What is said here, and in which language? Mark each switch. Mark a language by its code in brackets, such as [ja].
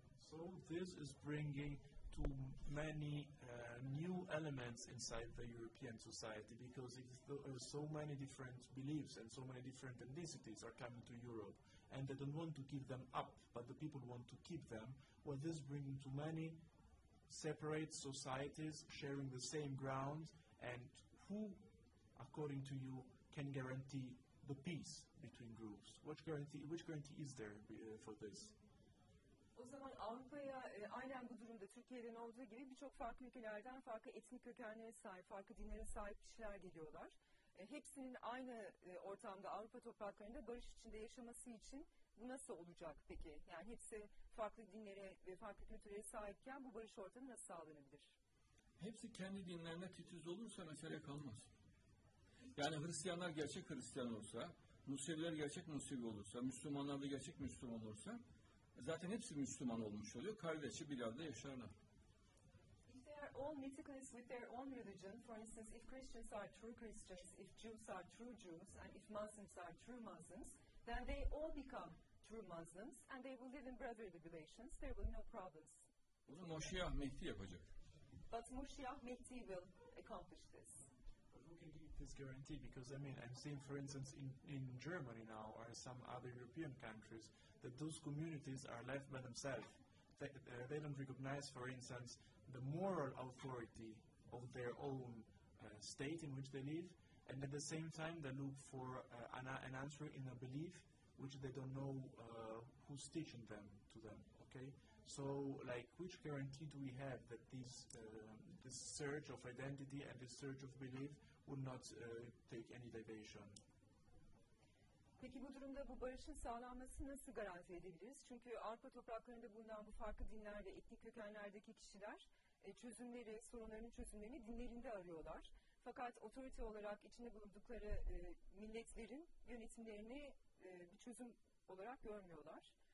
[en] So this is bringing to many new elements inside the European society, because if so many different beliefs and so many different ethnicities are coming to Europe and they don't want to give them up, but the people want to keep them, well, this bringing to many separate societies sharing the same ground, and who, according to you, can guarantee the peace between groups? Which guarantee is there for this? [tr] O zaman Avrupa'ya aynen bu durumda Türkiye'den olduğu gibi birçok farklı ülkelerden farklı etnik kökenlere sahip, farklı dinlere sahip kişiler geliyorlar. Hepsinin aynı ortamda Avrupa topraklarında barış içinde yaşaması için bu nasıl olacak peki? Yani hepsi farklı dinlere ve farklı kültürlere sahipken bu barış ortamı nasıl sağlanabilir? Hepsi kendi dinlerine titiz olursa mesele kalmaz. Yani Hristiyanlar gerçek Hristiyan olursa, Museviler gerçek Musevi olursa, Müslümanlar da gerçek Müslüman olursa, zaten hepsi Müslüman olmuş oluyor. Kardeşi bir arada yaşarlar. [en] If they are all meticulous with their own religion, for instance, if Christians are true Christians, if Jews are true Jews, and if Muslims are true Muslims, then they all become true Muslims, and they will live in brotherly relations. There will be no problems. [tr] Bunu Moşiyah Mehdi yapacak. [en] But Moşiyah Mehdi will accomplish this. This guarantee, because I mean, I'm seeing, for instance, in Germany now or some other European countries, that those communities are left by themselves. They don't recognize, for instance, the moral authority of their own state in which they live, and at the same time they look for an answer in a belief which they don't know who's teaching them to them. Okay, so like, which guarantee do we have that this search of identity and this search of belief would not take any deviation. [tr] Peki bu durumda bu barışın sağlanması nasıl garanti edebiliriz? Çünkü Avrupa topraklarında bulunan bu farklı dinler ve etnik kökenlerdeki kişiler çözümleri, sorunlarının çözümlerini dinlerinde arıyorlar. Fakat otorite olarak içinde bulundukları milletlerin yönetimlerini bir çözüm olarak görmüyorlar.